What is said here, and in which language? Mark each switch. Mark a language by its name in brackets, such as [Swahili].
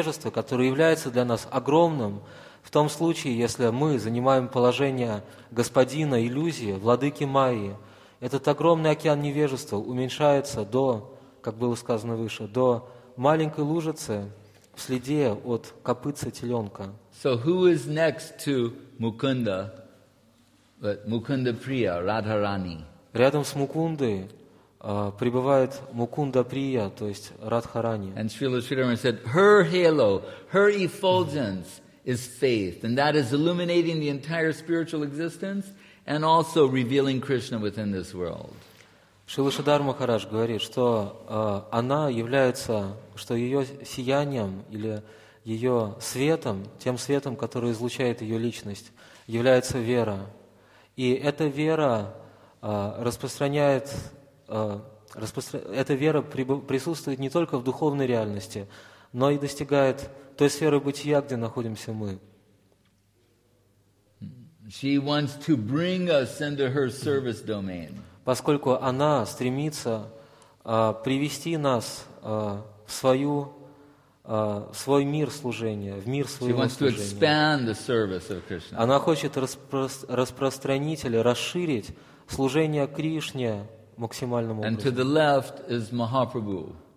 [Russian] который является для нас огромным, в том случае, если мы занимаем положение господина иллюзии, владыки Майи, этот огромный океан невежества уменьшается до, как было сказано выше, до маленькой лужицы в следе от копытца теленка. [English] So who is next to Mukunda, but Mukunda Priya, Radharani. [Russian] Рядом с Мукундой пребывает Мукунда Прия, то есть Радхарани. [English] And Srila Sridharma said, her halo, her effulgence is faith, and that is illuminating the entire spiritual existence and also revealing Krishna within this world. [Russian] Шрила Шридхара Махарадж говорит, что она является, что ее сиянием или ее светом, тем светом, который излучает ее личность, является вера. И эта вера распространяет, эта вера присутствует не только в духовной реальности, но и достигает той сферы бытия, где находимся мы. [English] She wants to bring us into her service domain. [Russian] Поскольку она стремится привести нас в свой мир служения, в мир своего служения. [English] She wants to expand the service of Krishna. [Russian] Она хочет распространить или расширить служение Кришне максимальным образом. [English] And to the left is Mahaprabhu.